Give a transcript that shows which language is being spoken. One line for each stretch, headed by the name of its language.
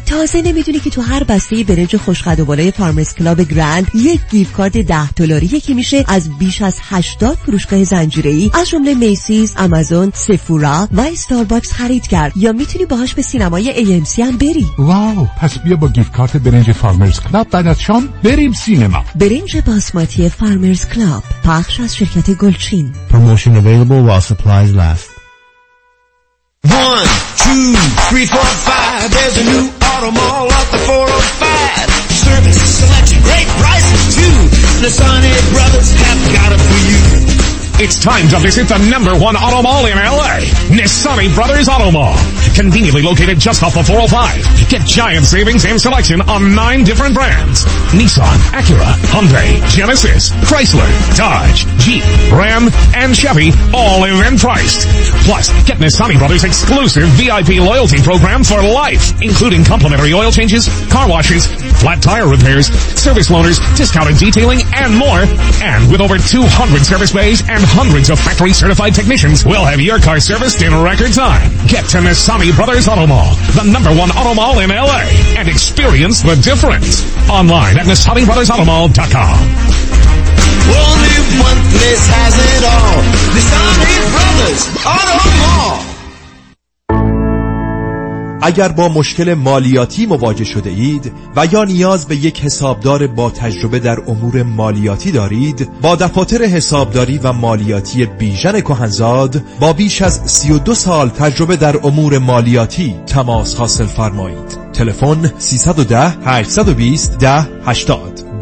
Persian: تازه نمیدونی که تو هر بسته برنج خوشقد و بالای فارمرز کلاب گرند یک گیف کارت 10 دلاری که میشه از بیش از 80 فروشگاه زنجیره‌ای از جمله میسیز، آمازون، سفورا و استارباکس خرید کرد، یا میتونی باهاش به سینمای AMC هم بری. واو، پس بیا با گیف کارت برنج فارمرز کلاب بعد از شام بریم سینما. برنج باسمتی فارمرز کلاب، پخش از شرکت گلچین.
English: Promotion available while supplies last. 1, 2, 3, 4, 5 There's a new auto mall off the 405. Service, selection, great prices too. The Sonic Brothers have got them for you. It's time to visit the number one auto mall in L.A., Nissani Brothers Auto Mall. Conveniently located just off of 405, get giant savings and selection on 9 different brands. Nissan, Acura, Hyundai, Genesis, Chrysler, Dodge, Jeep, Ram, and Chevy, all event priced. Plus, get Nissani Brothers' exclusive VIP loyalty program for life, including complimentary oil changes, car washes, flat tire repairs, service loaners, discounted detailing, and more. And with over 200 service bays and hundreds of factory-certified technicians, we'll have your car serviced in record time. Get to Nissani Brothers Auto Mall, the number one auto mall in L.A., and experience the difference. Online at NissaniBrothersAutoMall.com. Only one place has it all. Nissani Brothers Auto Mall.
Persian: اگر با مشکل مالیاتی مواجه شده اید و یا نیاز به یک حسابدار با تجربه در امور مالیاتی دارید، با دفاتر حسابداری و مالیاتی بیژن کهنزاد با بیش از 32 سال تجربه در امور مالیاتی تماس حاصل فرمایید. تلفن 310 820 1080